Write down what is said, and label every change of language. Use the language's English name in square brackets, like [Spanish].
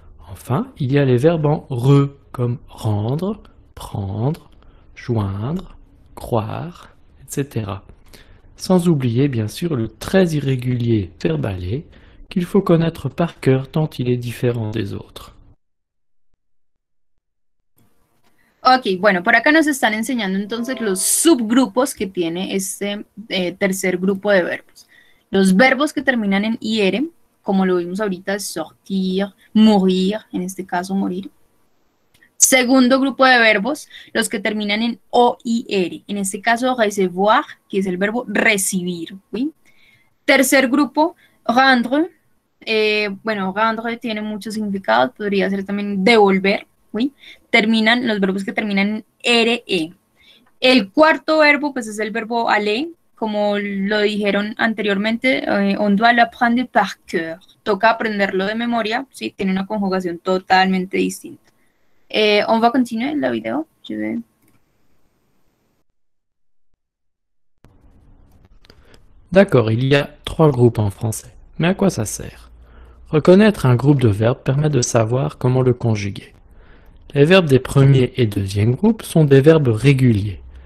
[French] Enfin, il y a les verbes en -re, comme rendre, prendre, joindre, croire, etc. Sans oublier bien sûr le très irrégulier verbe aller, qu'il faut connaître par cœur tant il est différent des autres. [Spanish] Ok, bueno, por acá nos están enseñando entonces los subgrupos que tiene este tercer grupo de verbos. Los verbos que terminan en IR, como lo vimos ahorita, sortir, morir, en este caso morir. Segundo grupo de verbos, los que terminan en OIR, en este caso recevoir, que es el verbo recibir, ¿sí? Tercer grupo, rendre. Bueno, rendre tiene muchos significados, podría ser también devolver. ¿Sí? Terminan los verbos que terminan en RE. El cuarto verbo, pues es el verbo aller, como lo dijeron anteriormente, [French] on doit l'apprendre par cœur. [Spanish] Toca aprenderlo de memoria, ¿sí? Tiene una conjugación totalmente distinta. [French] On va continuer la vidéo. D'accord, il y a trois groupes en français. Mais à quoi ça sert? Reconnaître un groupe de verbes permet de savoir comment le conjuguer. Les verbes des premier et deuxième groupes sont des verbes réguliers.